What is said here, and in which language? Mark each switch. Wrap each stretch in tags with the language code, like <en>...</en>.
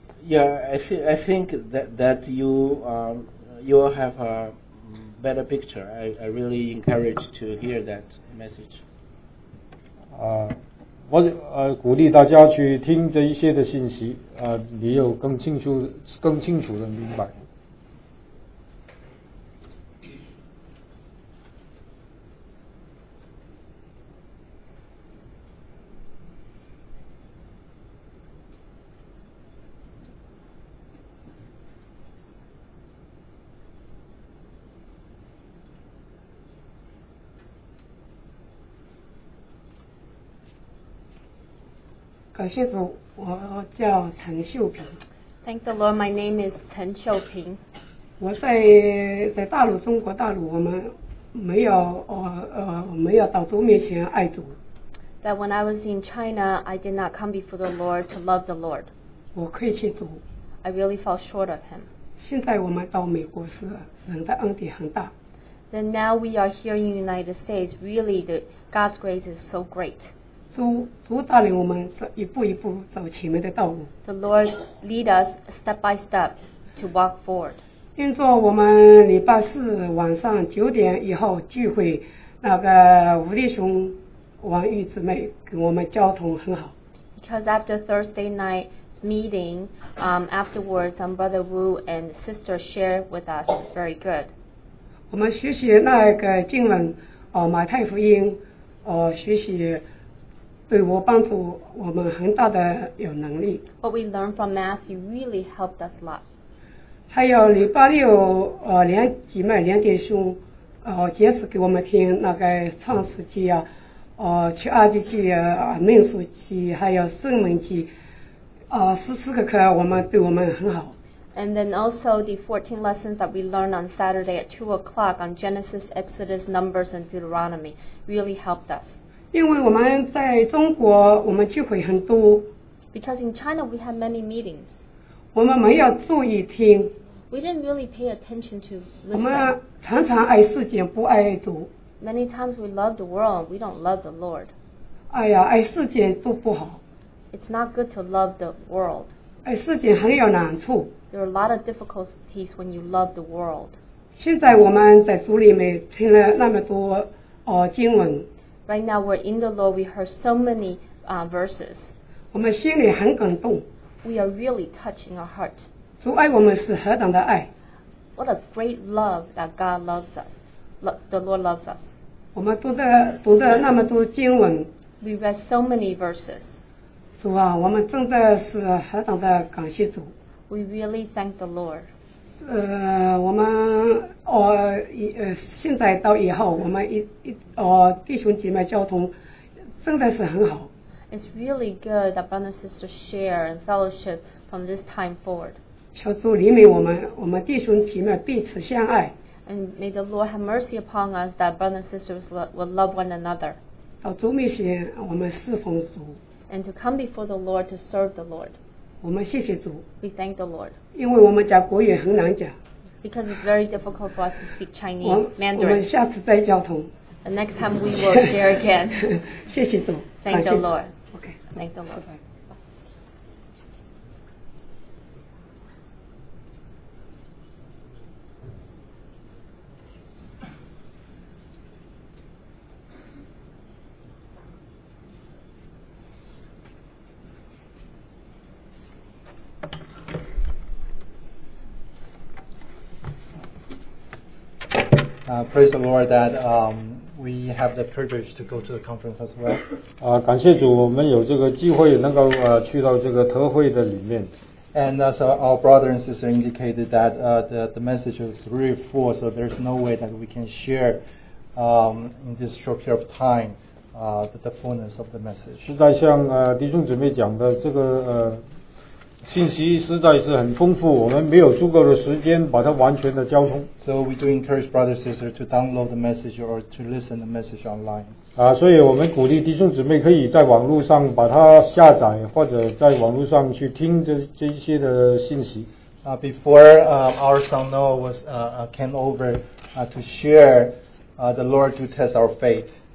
<en>I think that you will have a better picture. I really encourage to hear that message.</en> <zh>我鼓励大家去听这一些的信息，你有更清楚的明白。感谢主，我叫陈秀平。</zh> <en>Thank the Lord, my name is 陈秀平。</en> <zh>我在大陆，中国大陆，我们没有到主面前爱主。</zh> <en>That when I was in China, I did not come before the Lord to love the Lord.</en> <zh>我亏欠主。</zh> <en>I really fall short of Him.</en> <zh>现在我们到美国时，神的恩典很大。</zh> <en>Then now we are here in the United States, really the God's grace is so great.</en> <zh>主带领我们一步一步走前面的道路。</zh> <en>The Lord lead us step by step to walk forward.</en> <zh>因着我们礼拜四晚上九点以后聚会，那个吴弟兄、王玉姊妹跟我们交通很好。</zh> <en>Because after Thursday night meeting, afterwards, Brother Wu and Sister share with us very good.</en> <zh>我们学习那个经文，马太福音，学习。对我帮助我们很大的有能力。</zh> <en>What we learned from Matthew really helped us a lot.</en> <zh>还有礼拜六，两姐妹两弟兄，坚持给我们听那个创世纪啊，出埃及记啊，民数记，还有圣门记，时时刻刻对我们很好。</zh> <en>And then also the 14 lessons that we learned on Saturday at 2:00 on Genesis, Exodus, Numbers, and Deuteronomy really helped us.</en> <zh>因为我们在中国，我们聚会很多。</zh> <en>Because in China we have many meetings.</en> <zh>我们没有注意听。</zh> <en>We didn't really pay attention to listening.</en> <zh>我们常常爱世界，不爱主。</zh> <en>Many times we love the world, we don't love the Lord.</en> <zh>哎呀，爱世界都不好。</zh> <en>It's not good to love the world.</en> <zh>爱世界很有难处。</zh> <en>There are a lot of difficulties when you love the world.</en> <zh>现在我们在主里面听了那么多经文。</zh> <en>Right now, we're in the Lord. We heard so many verses.</en> <zh>我们心里很感动。</zh> <en>We are really touching our heart.</en> <zh>主爱我们是何等的爱。</zh> <en>What a great love that God loves us. The Lord loves us.</en> <zh>我们读的那么多经文。</zh> <en>We read so many verses.</en> <zh>主啊，我们真的是何等的感谢主。</zh> <en>We really thank the Lord.</en> <zh>我们现在到以后，我们弟兄姐妹交通真的是很好。</zh> <en>It's really good that brothers and sisters share and fellowship from this time forward.</en> <zh>求主怜悯我们弟兄姐妹彼此相爱。</zh> <en>And may the Lord have mercy upon us that brothers and sisters will love one another.</en> <zh>到主面前，我们侍奉主。</zh> <en>And to come before the Lord to serve the Lord.</en> <zh>我们谢谢主。</zh> <en>We thank the Lord.</en> <zh>因为我们讲国语很难讲。</zh> <en>Because it's very difficult for us to speak Chinese, Mandarin.</en> <zh>我们下次再交通。</zh> <en>The next time we will share again.</en> <zh>谢谢主。</zh> <en>Thank the Lord. Okay. Thank the Lord. Praise the Lord that we have the privilege to go to the conference as well.</en> <zh>感谢主，我们有这个机会能够去到这个特会的里面。</zh> <en>And as our brother and sister indicated that the message is really full, so there's no way that we can share in this short period of time. the fullness of the message.</en> <zh>实在像, 弟兄姊妹讲的, 这个, 信息实在是很丰富, 我们没有足够的时间把它完全的交通。</zh> <en>So we do encourage brothers and sisters to download the message or to listen the message online.</en> <zh>所以我们鼓励弟兄姊妹可以在网络上把它下载, 或者在网络上去听这些的信息。</zh> <en>Before our son Noah was came over to share the Lord to test our faith.</en>